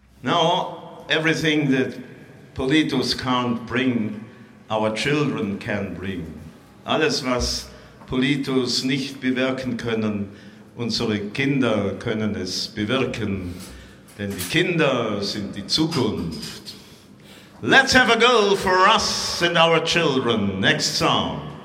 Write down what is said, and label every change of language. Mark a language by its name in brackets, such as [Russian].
[English] Now, everything that politics can't bring, our children can bring. [German] Alles, was politics nicht bewirken können, unsere Kinder können es bewirken. Denn die Kinder sind die Zukunft. [English] Let's have a go for us and our children. Next song.